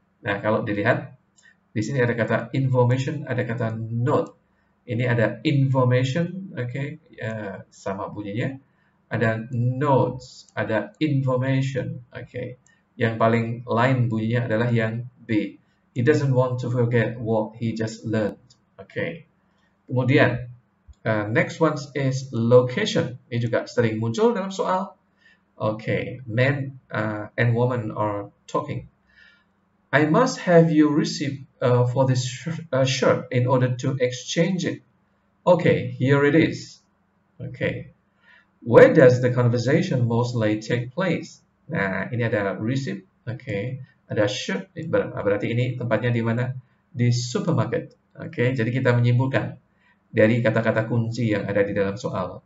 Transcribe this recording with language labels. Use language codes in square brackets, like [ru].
[id] Nah, kalau dilihat di sini ada kata information, ada kata note. Ini ada information, okay, sama bunyinya. Ada notes, ada information, okay. Yang paling lain bunyinya adalah yang B. [en] He doesn't want to forget what he just learned, okay. [id] Kemudian [en] next one is location. [id] Ini juga sering muncul dalam soal. Okay, [en] man and woman are talking. I must have you receipt for this shirt in order to exchange it. Okay, here it is. Okay, where does the conversation mostly take place? [id] Nah, ini ada receipt. Okay, ada shirt. Berarti ini tempatnya di mana? Di supermarket. Okay, jadi kita menyimpulkan dari kata-kata kunci yang ada di dalam soal.